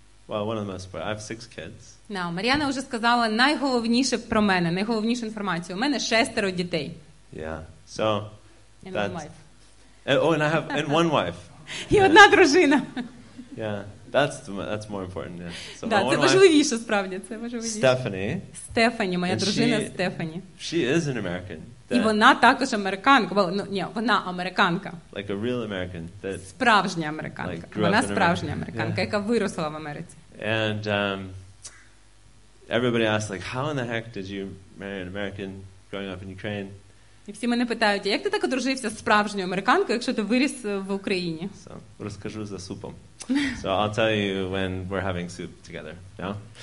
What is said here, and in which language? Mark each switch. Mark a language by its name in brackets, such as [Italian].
[English] Well, one of the most, but I have 6 kids. [Ukrainian] Now, Mariana вже сказала найголовніше про мене, найголовнішу інформацію. У мене 6 дітей. [English] Yeah. So, and one wife. And one wife. [Ukrainian] І одна дружина. [English] Yeah. That's more important, yeah. [Ukrainian] So, да, це важливіше справді, це важливіше. [English] Stephanie, [Ukrainian] моя дружина Stephanie. [English] She is an American. [Ukrainian] І вона також американка. Well, ні, вона американка. [English] Like a real American. [Ukrainian] Справжня американка. [English] Like, [Ukrainian] вона справжня американка, yeah. Яка виросла в Америці. [English] And everybody asks, like, how in the heck did you marry an American growing up in Ukraine? [Ukrainian] І всі мене питають, як ти так одружився з справжньою американкою, якщо ти виріс в Україні? [English] So, [Ukrainian] розкажу за супом. [English] So, I'll tell you when we're having soup together, yeah?